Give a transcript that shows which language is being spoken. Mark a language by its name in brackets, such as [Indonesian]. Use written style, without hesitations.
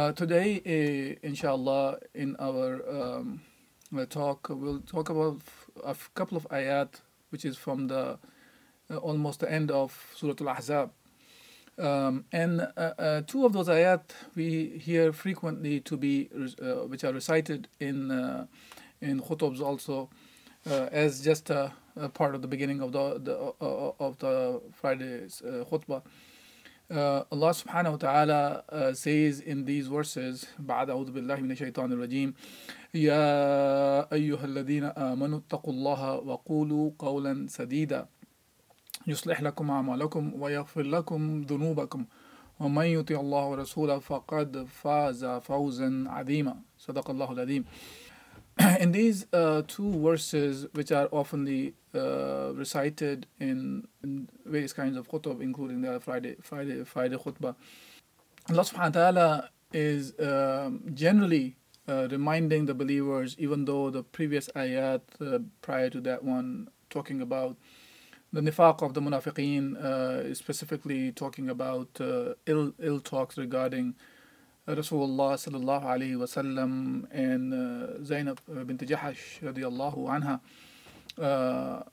[English] Today, inshallah, in our talk, we'll talk about a couple of ayat, which is from the almost the end of Surah Al-Ahzab. Two of those ayat we hear frequently to be which are recited in khutubs also as just a part of the beginning of the Friday's khutbah. Allah subhanahu wa ta'ala says in these verses, [Arabic] بعد أعوذ بالله من الشيطان الرجيم يا أيها الذين آمنوا اتقوا الله وقولوا قولا سديدا يصلح لكم أعمالكم ويغفر لكم ذنوبكم ومن يطع الله ورسوله فقد فاز فوزا عظيما صدق الله العظيم. [English] In these two verses, which are oftenly recited in various kinds of khutub, including the Friday khutbah, Allah subhanahu wa ta'ala is generally reminding the believers, even though the previous ayat prior to that one talking about the nifaq of the munafiqeen, specifically talking about ill talks regarding Rasulullah sallallahu alaihi wasallam and Zainab bint Jahash radiallahu anha.